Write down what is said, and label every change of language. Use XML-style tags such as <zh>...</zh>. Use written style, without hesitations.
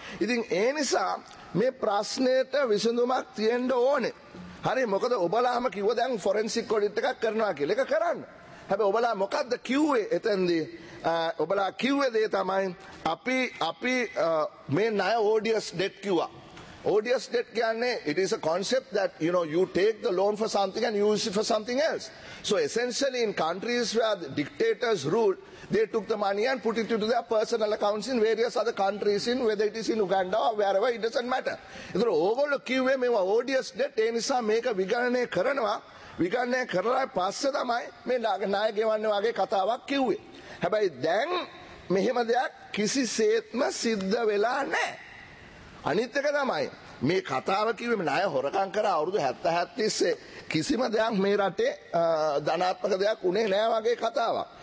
<si>ඉතින් ඒ නිසා මේ ප්‍රශ්නෙට විසඳුමක් තියෙන්න ඕනේ. හරි. මොකද ඔබලාම කිව්ව දැන් forensic audit එකක් කරනවා කියලා. ඒක කරන්න. හැබැයි ඔබලා මොකද්ද කිව්වේ එතෙන්දී? ඔබලා කිව්වේ දේ තමයි අපි මේ ණය odious debt කිව්වා.</si> <en>Odious debt</en> <si>කියන්නේ</si> <en>it is a concept that you know you take the loan for something and use it for something else. So essentially in countries where the dictators rule, they took the money and put it into their personal accounts in various other countries, in whether it is in Uganda or wherever, it doesn't matter.</en> <si>ඒතර ඕගොල්ලෝ කිව්වේ මේවා odious debt. ඒ නිසා මේක විගණනය කරනවා. විගණනය කරලා පස්සේ තමයි මේ ණය ගෙවන්නේ වගේ කතාවක් කිව්වේ. හැබැයි දැන් මෙහෙම දෙයක් කිසිසේත්ම සිද්ධ වෙලා නැහැ. අනිත් එක තමයි මේ කතාව කිව්වෙම ණය හොරකම් කර අවුරුදු 70 කිසිම දෙයක් මේ රටේ ධනාත්මක දෙයක් උනේ නෑ වගේ කතාවක්.</si>